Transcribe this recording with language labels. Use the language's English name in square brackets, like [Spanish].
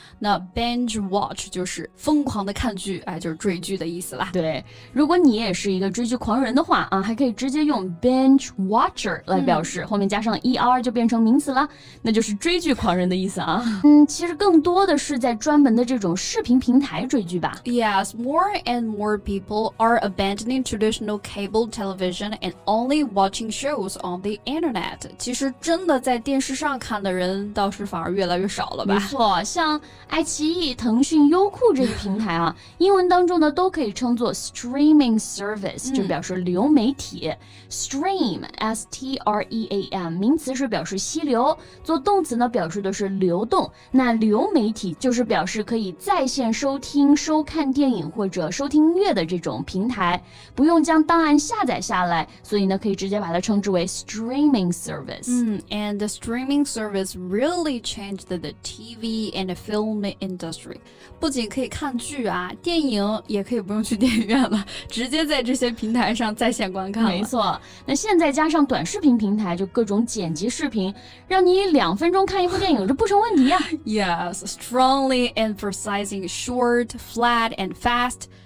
[Chinese] 那 binge watch 就是疯狂的看剧、哎、就是追剧的意思啦。对，如果你也是一个追剧狂人的话、啊、还可以直接用 binge watcher 来表示、嗯、后面加上 er 就变成名词了，那就是追剧狂人的意思啊。嗯，其实更多的是在专门的这种视频平台追剧吧。 [English] Yes, more and more people are abandoning traditional cable television and only watching shows on the internet. [Chinese] 其实真的在电视上看的人倒是反而越来越少了吧。没错，像爱奇艺、腾讯、优酷这些平台啊，英文当中呢都可以称作 streaming service、嗯、就表示流媒体。 stream S-T-R-E-A-M 名词是表示溪流，做动词呢表示的是流动。那流媒体就是表示可以在线收听、收看电影或者收听音乐的这种平台，不用将档案下载下来，所以呢可以直接把它称之为 streaming service、 [English] 嗯、and the streaming service really changed the TV and the film industry. [Chinese] 不仅可以看剧啊，电影也可以不用去电影院了，直接在这些平台上在线观看了。没错，那现在加上短视频平台，就各种剪辑视频，让你两分钟看一部电影这不成问题啊。 [English] Yes, strongly emphasizing short, flat and fast.